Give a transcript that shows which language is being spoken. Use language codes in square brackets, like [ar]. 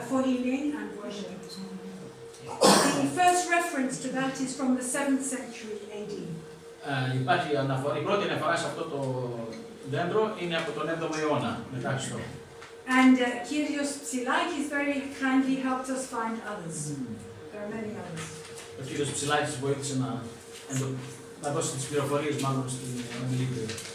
[en] The first reference to that is from the 7th century AD. [el] Υπάρχει αναφορά, η πρώτη αναφορά σε αυτό το δέντρο είναι από τον 7ο αιώνα, μετά Χριστό. [en] And Kyrios Psilakis very kindly helped us find others. There are many others. [el] Ο κύριος Ψηλάκης βοήθησε να να δώσει τις πληροφορίες μάλλον στην ομιλήτρια.